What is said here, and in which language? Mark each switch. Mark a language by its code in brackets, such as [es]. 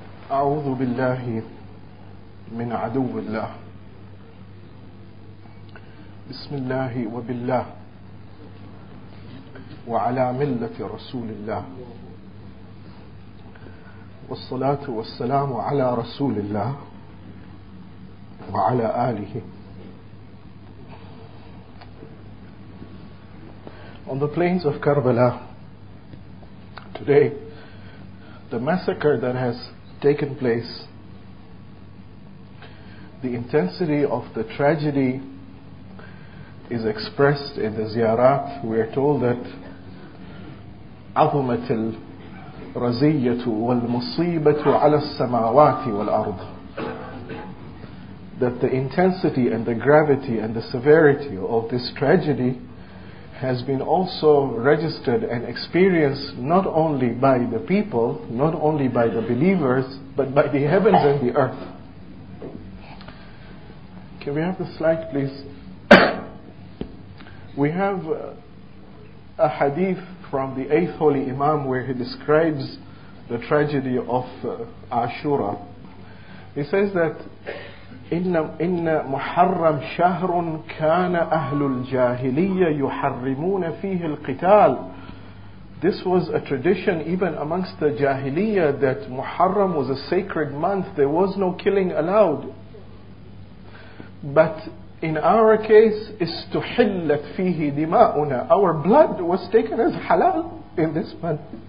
[ar] أعوذ بالله من عدو الله بسم الله وبالله وعلى ملة رسول الله والصلاة والسلام على رسول الله وعلى آله. [en] On the plains of Karbala today, the massacre that has taken place, the intensity of the tragedy is expressed in the ziyarat. We are told that [ar] عظمت الرزية والمصيبة على السماوات والأرض, [en] that the intensity and the gravity and the severity of this tragedy has been also registered and experienced not only by the people, not only by the believers, but by the heavens and the earth. Can we have the slide, please? We have a hadith from the 8th Holy Imam where he describes the tragedy of Ashura. He says that [ar] إِنَّ مُحَرَّمْ شَهْرٌ كَانَ أَهْلُ الْجَاهِلِيَّةِ يُحَرِّمُونَ فِيهِ الْقِتَالِ. [en] This was a tradition even amongst the Jahiliyyah that Muharram was a sacred month. There was no killing allowed. But in our case, [ar] استُحِلَّتْ فِيهِ دِمَاؤُنَا. [en] Our blood was taken as halal in this month.